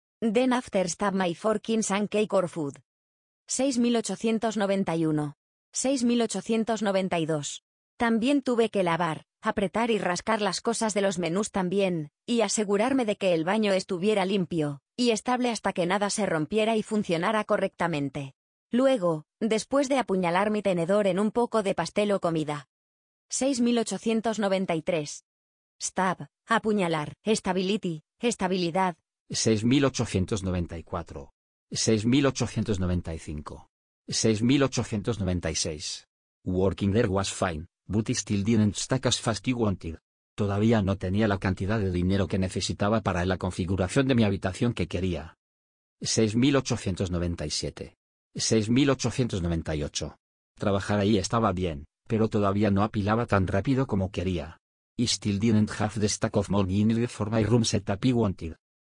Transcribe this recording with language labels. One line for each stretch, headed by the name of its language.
English: Then after stab my fork in some cake or food. 6891. 6892.
Spanish: También tuve que lavar, apretar y rascar las cosas de los menús también, y asegurarme de que el baño estuviera limpio y estable hasta que nada se rompiera y funcionara correctamente. Luego, después de apuñalar mi tenedor en un poco de pastel o comida.
English: 6893. Stab, apuñalar, stability, estabilidad. 6894. 6895. 6896. Working there was fine, but it still didn't stack as fast as wanted.
Spanish: Todavía no tenía la cantidad de dinero que necesitaba para la configuración de mi habitación que quería.
English: 6897. 6898.
Spanish: Trabajar ahí estaba bien, pero todavía no apilaba tan rápido como quería.
English: I still didn't have the stack of money in it for my room setup I wanted.